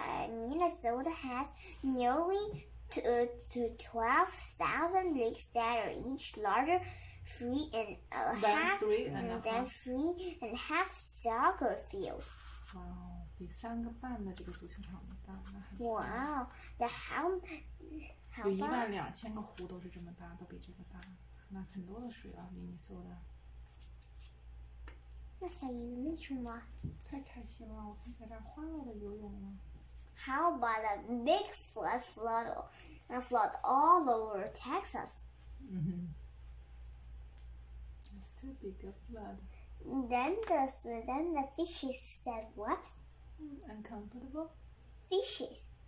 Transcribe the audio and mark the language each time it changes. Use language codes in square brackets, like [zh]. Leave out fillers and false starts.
[en] Minnesota has nearly 12,000 lakes that are each larger three and a half soccer fields. Wow, [zh] 比三个半的这个足球场大，那还哇哦，有12,000个湖都比这个大，那很多的水啊，Minnesota。那小鱼没去吗？太开心了，我在这欢乐的游泳了。 [en] How about a big flood all over Texas? It's too big a flood. Then the fishes said what? Uncomfortable. Fishes.